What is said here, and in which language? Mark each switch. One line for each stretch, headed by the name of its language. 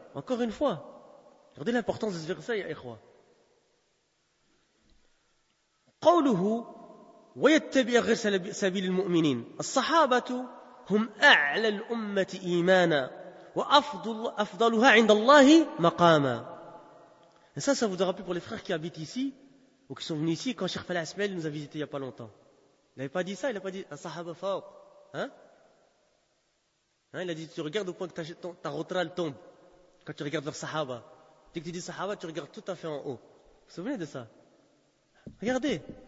French: Encore une fois, regardez l'importance de ce verset, ya ikhwa.
Arabic: قوله ويتبع غير سبيل المؤمنين. الصحابة هم أعلى الأمة إيمانا وأفضلها عند الله مقاما.
French: Et ça, ça vous aura plu pour les frères qui habitent ici ou qui sont venus ici quand Cheikh Falah Ismail nous a visités il n'y a pas longtemps. Il n'avait pas dit ça, il n'a pas dit un sahaba fort. Hein? Hein, il a dit, tu regardes au point que ta rotrale tombe quand tu regardes vers Sahaba. Dès que tu dis Sahaba, tu regardes tout à fait en haut. Vous vous souvenez de ça? Regardez.